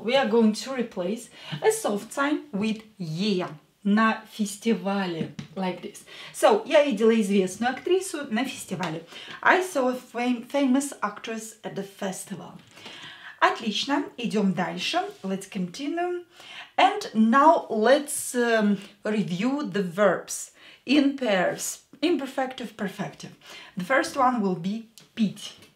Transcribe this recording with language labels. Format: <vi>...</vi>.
<en>We are going to replace a soft sign with е.</en> <ru>На фестивале,</ru> <en>like this.</en> <ru>So, я видела известную актрису на фестивале.</ru> <en>I saw a famous actress at the festival.</en> <ru>Отлично, идем дальше.</ru> <en>Let's continue. And now let's review the verbs in pairs. Imperfective, perfective. The first one will be пить.</en>